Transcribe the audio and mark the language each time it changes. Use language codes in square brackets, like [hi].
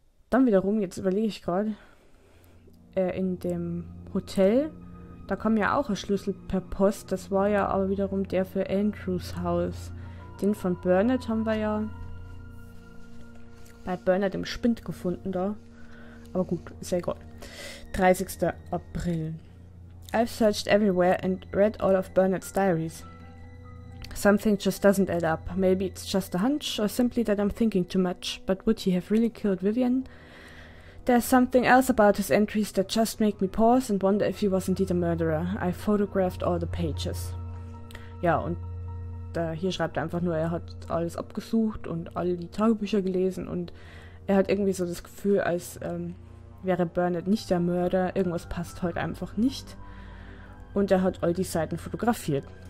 [de] Dann wiederum, jetzt überlege ich gerade, in dem Hotel, da kam ja auch ein Schlüssel per Post, das war ja aber wiederum der für Andrews Haus. Den von Bernard haben wir ja bei Bernard im Spind gefunden da. Aber gut, ist ja egal. 30. April. [en] I've searched everywhere and read all of Bernard's diaries. Something just doesn't add up. Maybe it's just a hunch or simply that I'm thinking too much. But would he have really killed Vivian? There's something else about his entries that just make me pause and wonder if he was indeed a murderer. I photographed all the pages. [de] Ja, und hier schreibt er einfach nur, er hat alles abgesucht und alle die Tagebücher gelesen, und er hat irgendwie so das Gefühl, als wäre Bernard nicht der Mörder. Irgendwas passt halt einfach nicht. Und er hat all die Seiten fotografiert.